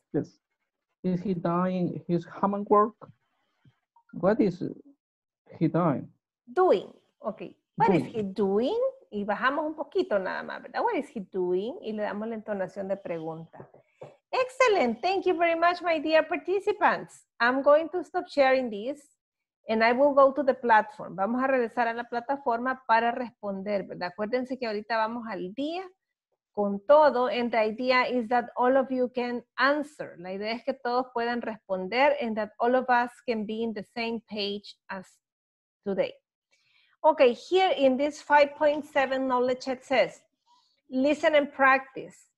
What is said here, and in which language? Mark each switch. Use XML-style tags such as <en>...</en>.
<en>Yes. Is he doing his homework? What is he doing? Doing, okay. What doing. Is he doing?</en> <es>Y bajamos un poquito nada más, ¿verdad?</es> <en>What is he doing?</en> <es>Y le damos la entonación de pregunta.</es> <en>Excellent, thank you very much, my dear participants. I'm going to stop sharing this. And I will go to the platform.</en> <es>Vamos a regresar a la plataforma para responder, ¿verdad? Acuérdense que ahorita vamos al día con todo.</es> <en>And the idea is that all of you can answer.</en> <es>La idea es que todos puedan responder</es> <en>and that all of us can be in the same page as today. Okay, here in this 5.7 knowledge, it says, listen and practice.</en>